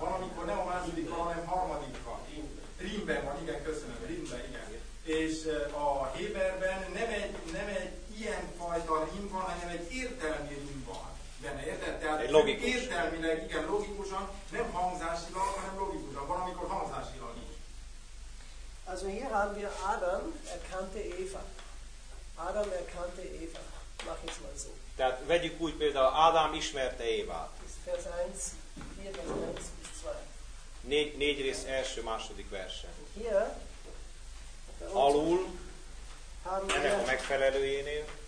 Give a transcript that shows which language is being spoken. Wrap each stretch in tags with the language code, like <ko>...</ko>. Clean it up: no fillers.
<hu>Van, amikor nem a másodikkal, hanem harmadikkal. Rímben van, igen, köszönöm, rímben, igen. És a héberben nem egy ilyen fajta rím van, hanem egy értelmi rím van benne, érted? Tehát értelmileg, igen, logikusan, nem hangzásilag, hanem logikusan, valamikor hangzásilag is.</hu> <de>Also hier haben wir Adam erkannte Eva. Adam erkannte Eva. Mach jetzt mal so.</de> <hu>Tehát vegyük úgy például, Adam ismerte Évát.</hu> <de>Vers 1, 4, Vers 1 bis 2.</de> <hu>Négy rész első, második verse.</hu> <de>Hier.</de> <hu>Alul, ennek a megfelelőjénél.</hu>